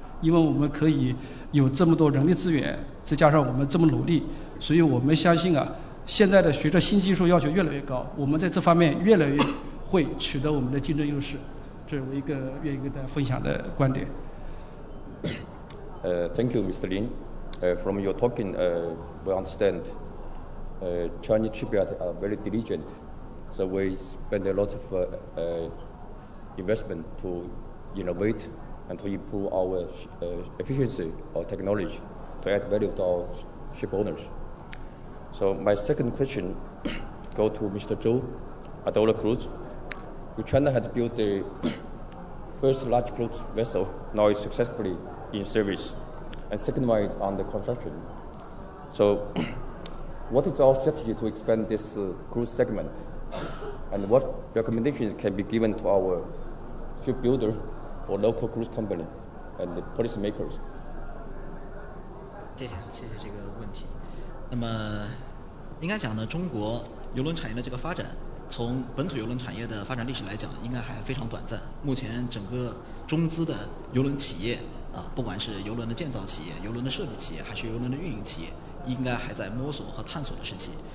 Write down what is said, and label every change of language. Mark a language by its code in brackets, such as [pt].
[zh] 因为我们可以有这么多人力资源，再加上我们这么努力，所以我们相信啊，现在的随着新技术要求越来越高，我们在这方面越来越会取得我们的竞争优势。这是我一个愿意跟大家分享的观点。 [en] Thank you, Mr. Lin. From your talking, we understand Chinese shipyards are very diligent. So we spend a lot of investment to innovate and to improve our efficiency or technology to add value to our ship owners. So my second question go to Mr. Zhou at Dole Cruise. China has built the first large cruise vessel, now is successfully in service, and second one is on the construction. So what is our strategy to expand this cruise segment? And what recommendations can be given to our shipbuilder or local cruise company and the policy makers? [zh] 谢谢这个问题。那么应该讲呢，中国邮轮产业的这个发展，从本土邮轮产业的发展历史来讲，应该还非常短暂。目前整个中资的邮轮企业啊，不管是邮轮的建造企业、邮轮的设计企业，还是邮轮的运营企业，应该还在摸索和探索的时期。